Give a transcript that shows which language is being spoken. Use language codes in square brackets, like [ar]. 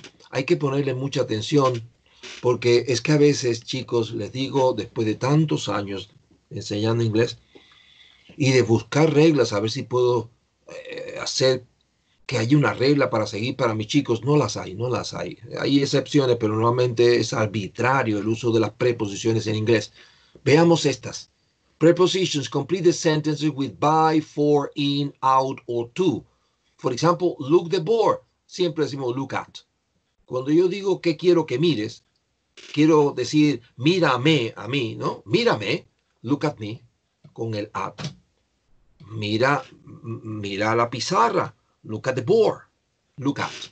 [es] Hay que ponerle mucha atención porque es que a veces, chicos, les digo, después de tantos años enseñando inglés y de buscar reglas, a ver si puedo hacer que haya una regla para seguir para mis chicos, no las hay, no las hay. Hay excepciones, pero normalmente es arbitrario el uso de las preposiciones en inglés. Veamos estas. Prepositions. [en] Complete the sentences with by, for, in, out, or to. For example, look the board. [es] Siempre decimos [en] look at. [es] Cuando yo digo que quiero que mires, quiero decir mírame a mí, ¿no? [en] Mírame, look at me, [es] con el [en] at. [es] Mira, mira la pizarra. [en] Look at the board. Look at.